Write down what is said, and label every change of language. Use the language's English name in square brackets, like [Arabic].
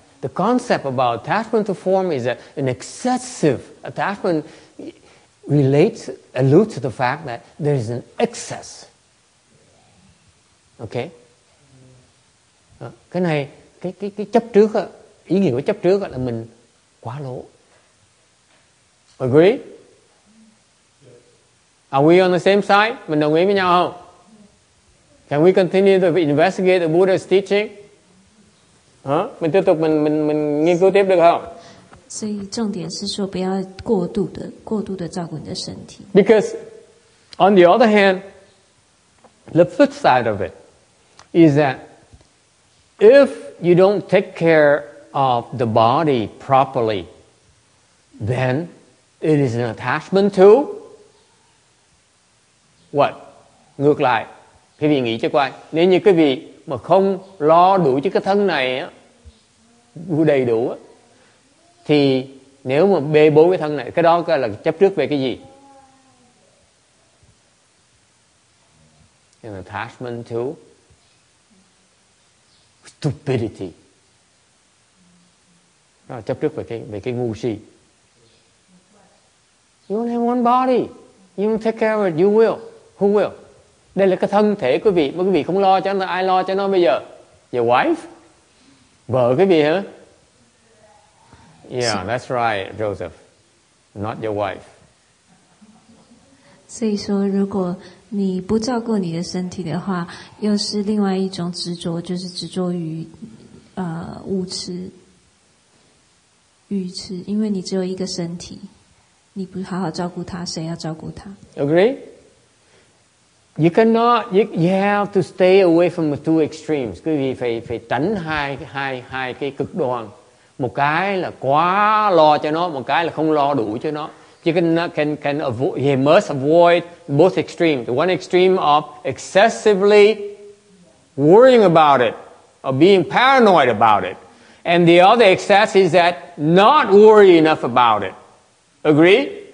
[English] The concept about attachment to form is that an excessive attachment alludes to the fact that there is an excess. Okay? [Vietnamese] Cái này, cái chấp trước, ý nghĩa của chấp trước là mình quá lỗ. [English] Agree? Are we on the same side? [Vietnamese] Mình đồng ý với nhau không? [English] Can we continue to investigate the Buddha's teaching? [Vietnamese] Mình tiếp tục mình nghiên cứu tiếp được không? [Chinese] 所以重点是说不要过度的照顾你的身体。 [English] Because on the other hand, the flip side of it is that if you don't take care of the body properly, then it is an attachment to what? [Vietnamese] Ngược lại, quý vị nghĩ cho quay. Nếu như quý vị mà không lo đủ cho cái thân này á, đầy đủ á, thì nếu mà bê bối cái thân này, cái đó là chấp trước về cái gì? [English] An attachment to stupidity. [Vietnamese] Đó là chấp trước về cái ngu si. [English] You only have one body. You don't take care of it. You will. Who will? [Vietnamese] Đây là cái thân thể của quý vị. Mà quý vị không lo cho nó, ai lo cho nó bây giờ? [English] Your wife? [Vietnamese] Vợ quý vị hả? [English] Yeah, that's right, Joseph. Not your wife. [Chinese] 所以说，如果你不照顾你的身体的话，又是另外一种执着，就是执着于物质、欲吃，因为你只有一个身体，你不好好照顾它，谁要照顾它 [English] ？Agree. You cannot. You have to stay away from the two extremes. [Vietnamese] Quý vị phải tránh hai cái cực đoan. Một cái là quá lo cho nó, một cái là không lo đủ cho nó. [English] You can avoid, you must avoid both extremes. The one extreme of excessively worrying about it, or being paranoid about it. And the other excess is that not worry enough about it. Agree?